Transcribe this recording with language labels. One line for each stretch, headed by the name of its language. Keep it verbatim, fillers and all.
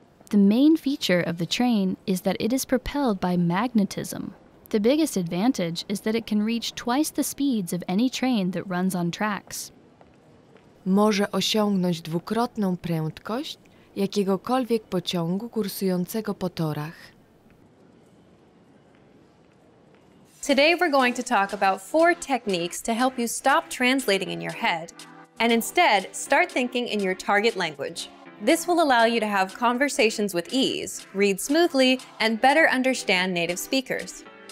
English: The main feature of the train is that it is propelled by magnetism. The biggest advantage is that it can reach twice the speeds of any train that runs on tracks.
Polish: Może osiągnąć dwukrotną prędkość jakiegokolwiek pociągu kursującego po torach.
English: Today we're going to talk about four techniques to help you stop translating in your head and instead start thinking in your target language. This will allow you to have conversations with ease, read smoothly, and better understand native speakers.